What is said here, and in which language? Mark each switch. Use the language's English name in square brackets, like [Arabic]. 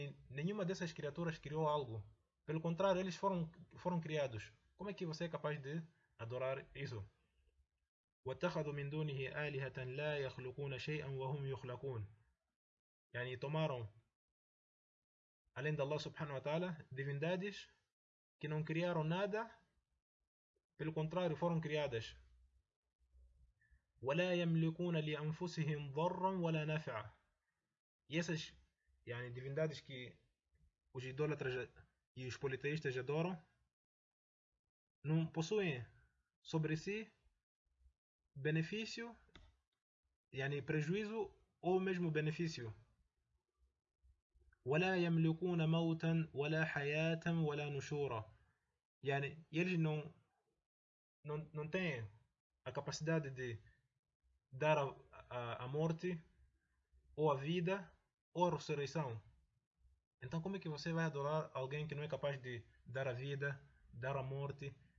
[Portuguese] Nenhuma dessas criaturas criou algo. Pelo contrário, eles foram criados. Como é que você é capaz de adorar isso? [Arabic] واتخذوا من دونه آلهة لا يخلقون شيئا وهم يخلقون. [Portuguese] Tomaram, além de Allah subhanahu wa ta'ala, divindades que não criaram nada. Pelo contrário, foram criadas. [Arabic] ولا يملكون لأنفسهم ضرا ولا نافعا. [Portuguese] E essas divindades que os idólatras e os politeístas adoram não possuem sobre si benefício, prejuízo ou mesmo benefício. [Arabic] ولا يملكون موتا ولا حياة ولا نشورا. [Portuguese] Eles não têm a capacidade de dar a morte, ou a vida, ou a ressurreição. Então, como é que você vai adorar alguém que não é capaz de dar a vida, dar a morte?